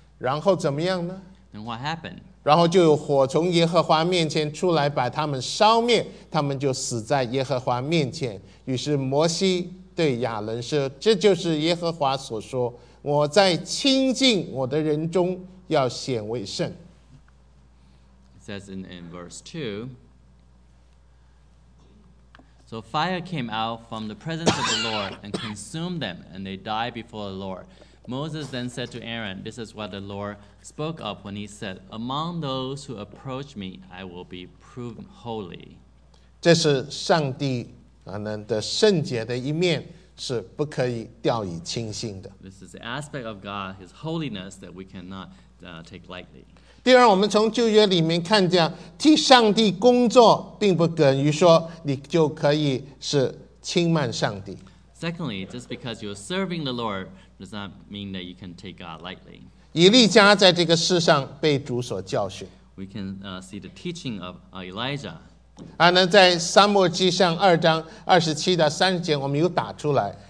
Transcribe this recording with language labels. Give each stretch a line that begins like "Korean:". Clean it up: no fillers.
Chinese: 然后怎么样呢？
English: Then what happened?
Chinese: 然后就有火从耶和华面前出来，把他们烧灭，他们就死在耶和华面前。于是摩西对亚伦说，这就是耶和华所说，我在亲近我的人中要显为圣。
English: It says in verse 2, So fire came out from the presence of the Lord and consumed them, and they died before the Lord. Moses then said to Aaron, This is what the Lord spoke of when he said, Among those who approach me, I will be proved holy.
Chinese: 这是上帝的圣洁的一面，是不可以掉以轻心的。
English: This is the aspect of God, his holiness, that we cannot take lightly.
Chinese: 第二，我们从旧约里面看见，替上帝工作并不等于说你就可以是轻慢上帝。
English: Secondly, just because you're serving the Lord does not mean that you can take God lightly.
Chinese: 以利家在这个世上被主所教训。
English: We can see the teaching of Elijah.
Chinese: 在撒母耳记上二章二十七到三十节，我们有打出来。